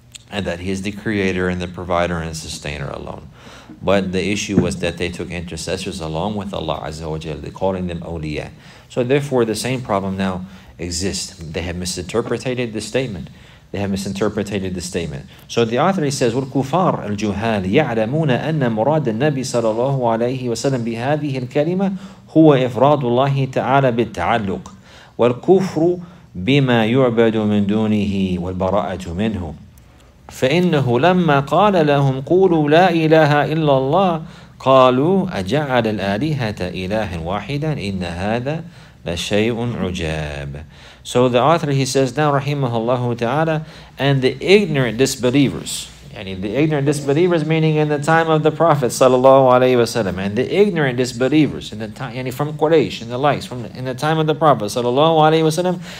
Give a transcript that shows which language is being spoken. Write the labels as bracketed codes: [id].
[en] And that He is the creator and the provider and sustainer alone. But the issue was that they took intercessors along with Allah Azza wa Jalla, calling them awliya. So therefore the same problem now exists. They have misinterpreted the statement. They have misinterpreted the statement. [ar] So the author, he says, وَالْكُفَارُ الْجُهَالِ يَعْلَمُونَ أَنَّ مُرَادَ النَّبِي صَلَى اللَّهُ عَلَيْهِ وَسَلَمَ بِهَذِهِ الْكَلِمَةِ هُوَ إِفْرَادُ اللَّهِ تَعَالَى بِالْتَعَلُّقِ وَالْكُفْرُ بِمَا يُعْبَدُ مِنْ دُونِهِ وَالْبَرَاءَةُ مِنْهُ فإنه لما قال لهم قولوا لا إله إلا الله قالوا أجعل الآلهة إلها واحدا إن هذا لشيء عجاب. [en] So the author, he says now, [ar] rahimahullahu ta'ala, [en] and the ignorant disbelievers, yani the ignorant disbelievers meaning in the time of the Prophet sallallahu alaihi wasallam, and the ignorant disbelievers in the time, yani from Quraysh and the likes, from in the time of the Prophet sallallahu alaihi wasallam,